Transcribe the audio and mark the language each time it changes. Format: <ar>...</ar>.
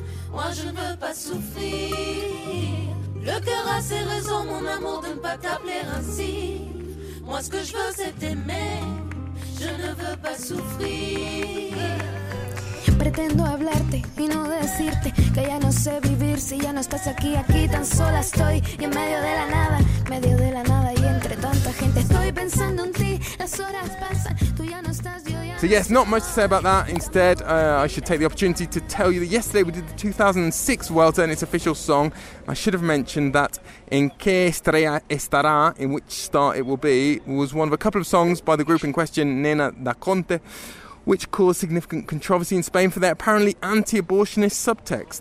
<fr>Moi je ne veux pas souffrir. Le cœur a ses raisons, mon amour, de ne pas t'appeler ainsi. Moi ce que je veux c'est t'aimer. Je ne veux pas souffrir.</fr> <es>Pretendo hablarte y no decirte que ya no sé vivir si ya no estás aquí. Aquí tan sola estoy y en medio de la nada y entre tanta gente estoy pensando en ti. Las horas pasan, tú ya no estás, yo ya.</es> <en>So yes, not much to say about that. Instead, I should take the opportunity to tell you that yesterday we did the 2006 Vuelta and its official song. I should have mentioned that En Qué Estrella Estará, in which star it will be, was one of a couple of songs by the group in question, Nena da Conte, which caused significant controversy in Spain for their apparently anti-abortionist subtext.</en>